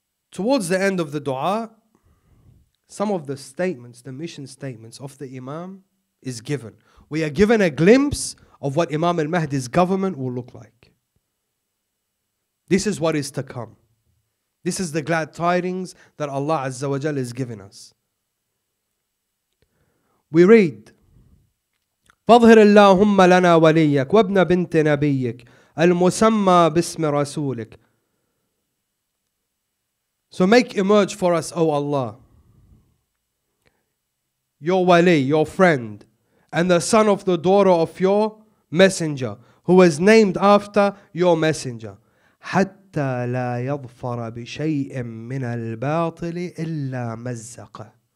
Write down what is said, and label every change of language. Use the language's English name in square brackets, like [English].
[English] Towards the end of the dua, some of the statements, the mission statements of the Imam is given. We are given a glimpse of what Imam al-Mahdi's government will look like. This is what is to come. This is the glad tidings that Allah Azza wa Jal has given us. We read, [Arabic] فَظْهِرِ اللَّهُمَّ لَنَا وَلِيَّكَ وَابْنَ بِنْتِ نَبِيِّكَ الْمُسَمَّى بِاسْمِ رَسُولِكَ. [English] So make emerge for us, O Allah, your wali, your friend, and the son of the daughter of your messenger, who is named after your messenger. [Arabic] حَتَّى لَا يَظْفَرَ بِشَيْءٍ مِّنَ الْبَاطِلِ إِلَّا مَزَّقَهُ.